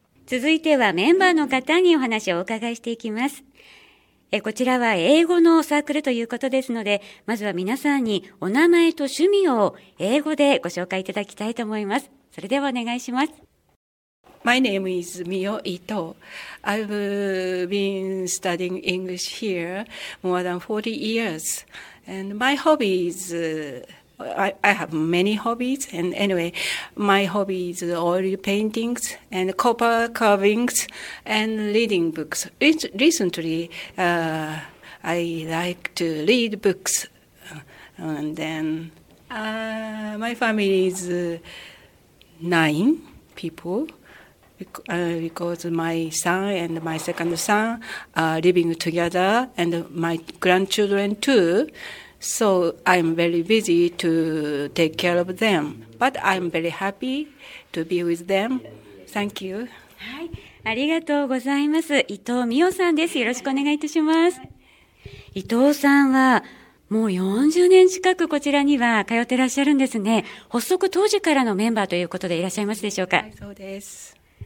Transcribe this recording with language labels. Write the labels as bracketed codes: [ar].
[ja] 続いてはメンバーの方にお話をお伺いしていきます。こちらは英語のサークルということですので、まずは皆さんにお名前と趣味を英語でご紹介いただきたいと思います。それではお願いします。 [en] My name is Mio Ito. I've been studying English here more than 40 years. And my hobbies, I have many hobbies. And anyway, my hobbies are oil paintings and copper carvings and reading books. Recently, I like to read books. And then my family is 9 people, because my son and my second son are living together, and my grandchildren too. So I'm very busy to take care of them. But I'm very happy to be with them. Thank you. [ja] はい、ありがとうございます。伊藤美代さんです。よろしくお願いいたします。伊藤さんはもう40年近くこちらには通ってらっしゃるんですね。発足当時からのメンバーということでいらっしゃいますでしょうか。はい、そうです。